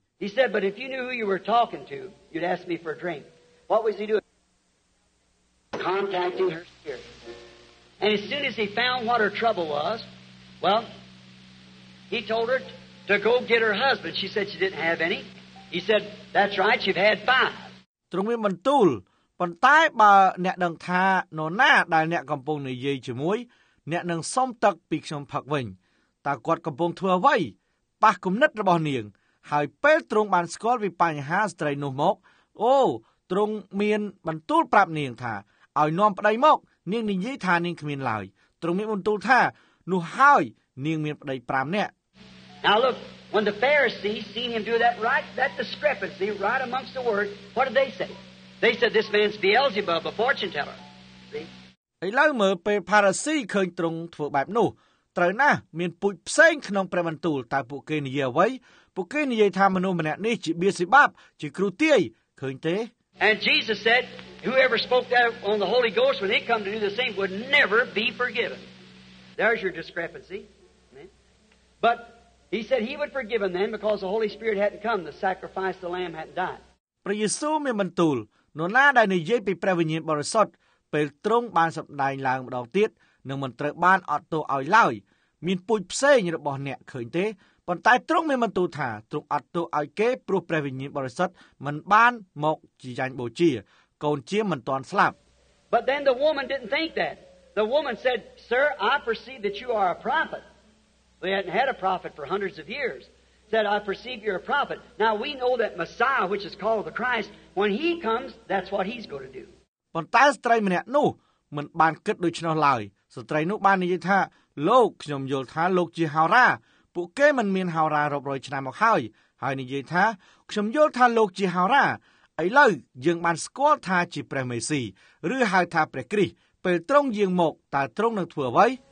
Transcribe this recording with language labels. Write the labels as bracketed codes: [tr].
[en] He said but if you knew who you were talking to you'd ask me for a drink What was he doing contacting her spirit. And as soon as he found what her trouble was, well, he told her to go get her husband. She said she didn't have any. He said, that's right, she'd had 5. [km] ត្រង់មានបន្ទូលប៉ុន្តែបើអ្នកដឹងថានរណាដែលអ្នកកំពុងនិយាយជាមួយអ្នកនឹងសុំទឹកពីខ្ញុំផឹកវិញតើគាត់កំពុងធ្វើអ្វីប៉ះគំនិតរបស់នាងហើយពេលត្រង់បានស្គាល់ពីបញ្ហាស្ត្រីនោះមកអូត្រង់មានបន្ទូលប្រាប់នាងថាឲ្យនាំប្តីមកនាងនិយាយថានាងគ្មានឡើយត្រង់មានបន្ទូលថានោះហើយនាងមានប្តី5នាក់ [en] Now look when the Pharisees seen him do that right that discrepancy right amongst the word what did they say They said this man's Beelzebub, a fortune teller. [km] ឥឡូវមើលពេលផារ៉ាស៊ីឃើញទ្រង់ធ្វើបែបនោះត្រូវណាស់មានពុជផ្សេងក្នុងព្រះបន្ទូលតើពួកគេនិយាយអ្វីពួកគេនិយាយថាមនុស្សម្នាក់នេះជាបៀសិបាបជាគ្រូទាយឃើញទេ [en] And Jesus said whoever spoke that on the Holy Ghost when he come to do the same would never be forgiven. There's your discrepancy. Amen. But he said he would forgive them then because the Holy Spirit hadn't come, the sacrifice the lamb hadn't died. [km] ព្រះយេស៊ូវមានបន្ទូលនោះណាដែលនិយាយពីព្រះវិញ្ញាណបរិសុទ្ធពេលត្រង់បានសម្ដែងឡើងម្ដងទៀតនឹងមិនត្រូវបានអត់ទោសឲ្យឡើយមានពុជផ្សេងរបស់អ្នកឃើញទេប៉ុន្តែត្រង់មានបន្ទូលថាត្រង់អត់ទោសឲ្យគេព្រោះព្រះវិញ្ញាណបរិសុទ្ធមិនបានមកជាយ៉ាញ់បូជាកូនជាមិនទាន់ស្លាប់ [en] But then the woman didn't think that. The woman said, "Sir, I perceive that you are a prophet." They hadn't had a prophet for hundreds of years. Said, "I perceive you're a prophet." Now we know that Messiah, which is called the Christ, when he comes, that's what he's going to do. [km] ប៉ុន្តែស្ត្រីម្នាក់នោះមិនបានគិតដូច្នោះឡើយស្ត្រីនោះបាននិយាយថាលោកខ្ញុំយល់ថាលោកជាហោរាពួកគេមិនមានហោរារាប់រយឆ្នាំមកហើយហើយនិយាយថាខ្ញុំយល់ថាលោកជាហោរាឥឡូវយើងបានស្គាល់ថាជាព្រះមេស៊ីឬហៅថាព្រះគ្រីស្ទពេលត្រង់យើងមកតើត្រង់នឹងធ្វើអ្វី